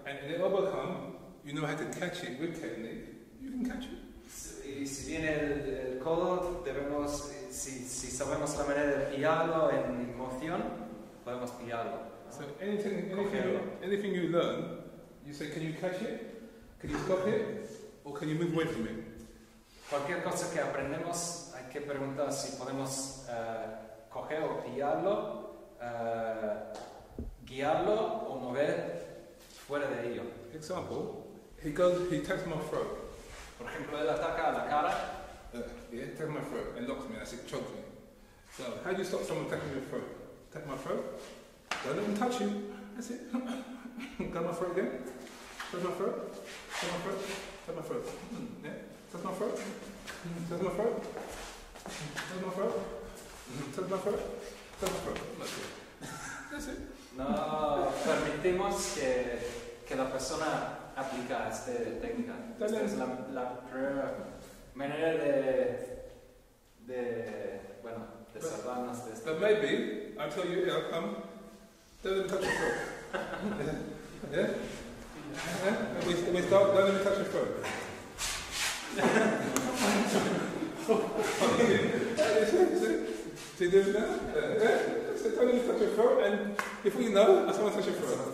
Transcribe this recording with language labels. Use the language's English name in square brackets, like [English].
[English] And if the elbow comes, you know how to catch it with technique. You can catch it. [Spanish] Si viene el codo, debemos. Si sabemos la manera de pillarlo en moción, podemos pillarlo. [English] So anything you learn, you say, can you catch it? Can you stop it? Or can you move away from it? [Spanish] Cualquier cosa que aprendemos, hay que preguntar si podemos coger o pillarlo, guiarlo o mover fuera de ello. [English] Example, he attacks my throat. [Spanish] Por ejemplo, él ataca a la cara. [English] Yeah, take my throat and locks me, that's it, choke me. So, how do you stop someone taking your throat? Take my throat, don't let him touch you, that's it. Grab my throat again, touch my throat, that's it. [Spanish] No permitimos que la persona aplica esta técnica. Esta es la primera manera de salvarnos de esto. [English] But maybe, I tell you, I'll come, don't touch your throat. Yeah? Yeah? And we start, don't even touch your throat. See this now? Yeah? So don't even touch your throat, and if we know, I don't want to touch your throat.